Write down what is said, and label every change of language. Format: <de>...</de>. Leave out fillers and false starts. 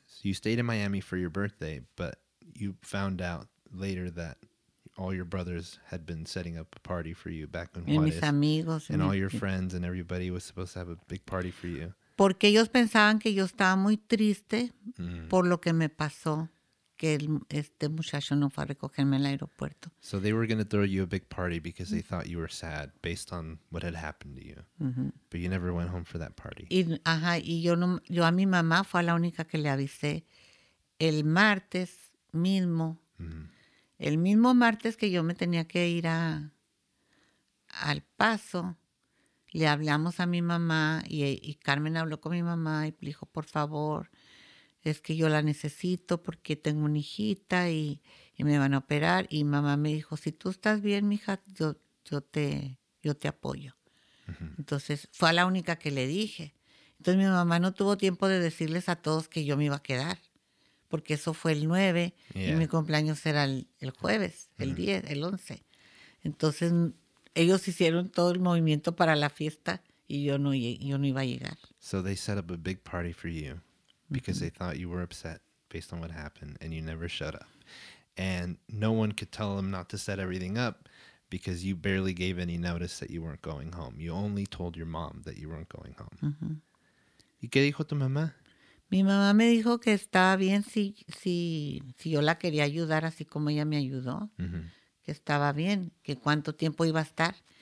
<en>So you stayed in Miami for your birthday, but you found out later that all your brothers had been setting up a party for you back in Juarez.</en> <es>Mis amigos,</es> <en>and all your friends and everybody was supposed to have a big party for you.</en> <es>Porque ellos pensaban que yo estaba muy triste por lo que me pasó, que este muchacho no fue a recogerme en el aeropuerto.</es> <en>So they were going to throw you a big party because they thought you were sad based on what had happened to you. But you never went home for that party.</en> <es>Y yo a mi mamá fue la única que le avisé el martes mismo. El mismo martes que yo me tenía que ir al paso, le hablamos a mi mamá y Carmen habló con mi mamá y dijo, por favor, es que yo la necesito porque tengo una hijita y me van a operar. Y mamá me dijo, si tú estás bien, mija, yo te apoyo. Entonces, fue la única que le dije. Entonces, mi mamá no tuvo tiempo de decirles a todos que yo me iba a quedar. Porque eso fue el 9 y mi cumpleaños era el jueves, el 10, el 11. Entonces, ellos hicieron todo el movimiento para la fiesta y yo no iba a llegar.</es> <en>So they set up a big party for you because they thought you were upset based on what happened and you never showed up. And no one could tell them not to set everything up because you barely gave any notice that you weren't going home. You only told your mom that you weren't going home.</en> <es>¿Y qué dijo tu mamá? Mi mamá me dijo que estaba bien si yo la quería ayudar así como ella me ayudó, que estaba bien, que cuánto tiempo iba a estar.</es>